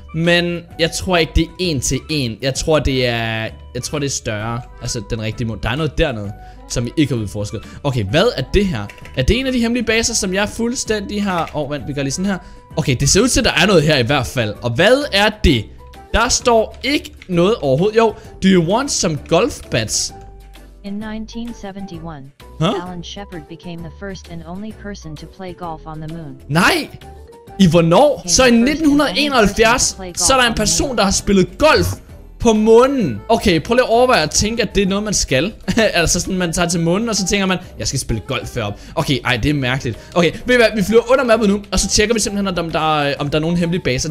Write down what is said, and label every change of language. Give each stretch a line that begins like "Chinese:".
Danish: Men jeg tror ikke, det er en til en. Jeg tror, det er større. Altså, den rigtige måde. Der er noget dernede, som vi ikke har udforsket. Okay, hvad er det her? Er det en af de hemmelige baser, som jeg fuldstændig har... Åh, vent, vi gør lige sådan her. Okay, det ser ud til, at der er noget her i hvert fald. Og hvad er det? Der står ikke noget overhovedet.
English: Jo, do you want some golf bats? In 1971, huh? Alan Shepard became the first and only person to play golf on the moon.
Danish: Nej! I hvornår? Så i 1971, så er der en person, der har spillet golf på månen. Okay, prøv lige at overveje at tænke, at det er noget, man skal. Altså sådan, man tager til månen, og så tænker man, jeg skal spille golf herop. Okay, ej, det er mærkeligt. Okay, ved I hvad, vi flyver under mappet nu, og så tjekker vi simpelthen, om der er nogen hemmelige baser.